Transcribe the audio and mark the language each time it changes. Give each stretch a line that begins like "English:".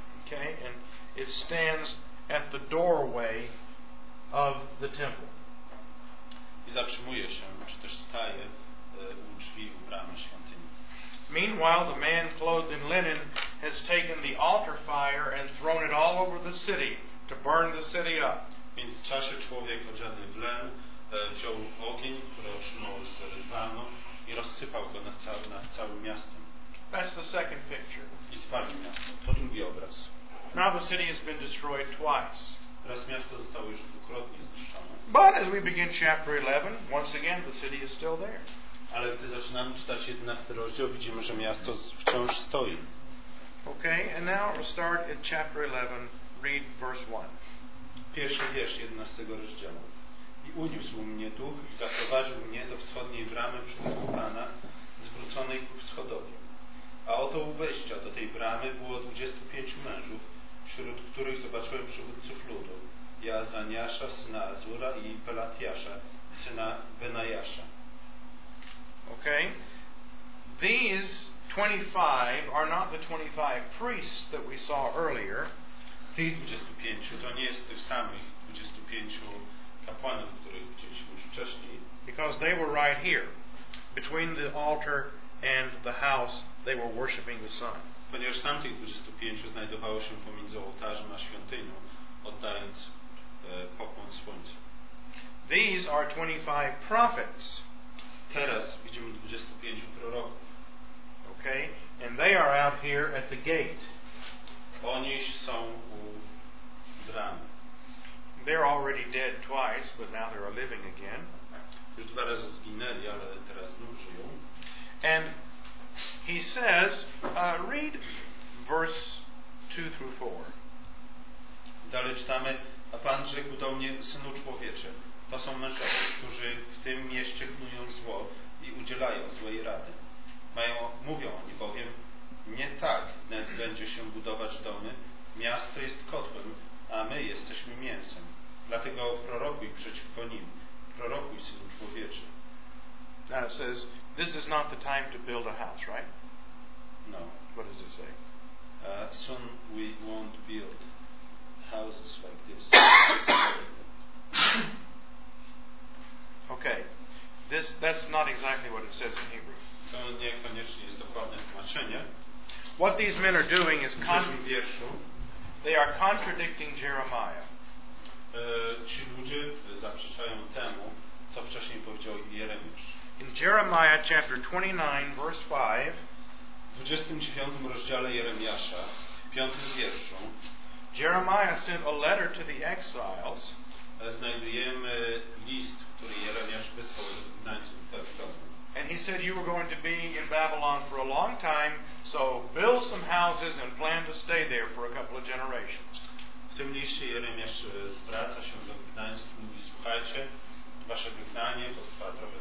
English: Okay, and it stands at the doorway of the temple.
Polish: I zatrzymuje się, czy też staje u drzwi u bramy świątyni.
English: Meanwhile, the man clothed in linen has taken the altar fire and thrown it all over the city to burn the city up.
Polish: W międzyczasie człowiek odziany w len wziął ogień, który otrzymał z rydwanu i rozsypał go nad całym miastem.
English: That's the second picture.
Polish: I spalił miasto. To drugi obraz.
English: Now the city has been destroyed twice.
Polish: Teraz miasto zostało już dwukrotnie zniszczone.
English: But as we begin chapter 11, once again the city is still there.
Polish: Ale gdy zaczynamy czytać 11 rozdział, widzimy, że miasto wciąż stoi.
English: Okay, and now we'll start at chapter 11, read verse 1.
Polish: Pierwszy wiersz 11 rozdziału. I uniósł mnie duch i zaprowadził mnie do wschodniej bramy przybytku Pana, zwróconej ku wschodowi. A oto u wejścia do tej bramy było 25 mężów, wśród których zobaczyłem przywódców ludu: Jaazaniasza, syna Azura, i Pelatiasza, syna Benajasza.
English: Okay. These 25 are not the 25 priests that we saw earlier.
Polish: Tych 25 to nie jest tych samych 25 kapłanów, których widzieliśmy już wcześniej.
English: Because they were right here, between the altar and the house, they were worshiping the sun.
Polish: Ponieważ tamtych 25 znajdowało się pomiędzy ołtarzem a świątynią, oddając pokłon słońcu.
English: These are 25 prophets.
Polish: Teraz widzimy 25 proroków.
English: Okay, and they are out here at the gate.
Polish: Oni są u bramy.
English: They're already dead twice, but now they're living again.
Polish: Już dwa razy zginęli, ale teraz znów żyją.
English: And he says, read verse 2-4.
Polish: Dalej czytamy, a Pan rzekł do mnie, synu człowiecze, to są mężowie, którzy w tym mieście knują zło i udzielają złej rady. Mówią oni bowiem, nie tak wnet będzie się budować domy, miasto jest kotłem, a my jesteśmy mięsem. Dlatego prorokuj przeciwko nim. Prorokuj, synu człowieczy.
English: Now it says, this is not the time to build a house, right? No. What does it say? Soon we won't build houses like this. Okay. That's not exactly what it says in Hebrew.
Polish: To niekoniecznie jest dokładne tłumaczenie.
English: What these men are doing is
Polish: wierszu,
English: they are contradicting Jeremiah.
Polish: Ci ludzie zaprzeczają temu, co wcześniej powiedział Jeremiasz.
English: In Jeremiah chapter 29, verse 5,
Polish: w 29 rozdziale Jeremiasza, w 5 wierszu,
English: Jeremiah sent a letter to the exiles.
Polish: Znajdujemy list, który Jeremiasz wysłał do wygnańców babilońskich.
English: And he said, you were going to be in Babylon for a long time, so build some houses and plan to stay there for a couple of generations.
Polish: W tym liście Jeremiasz zwraca się do wygnańców i mówi, słuchajcie, wasze wygnanie potrwa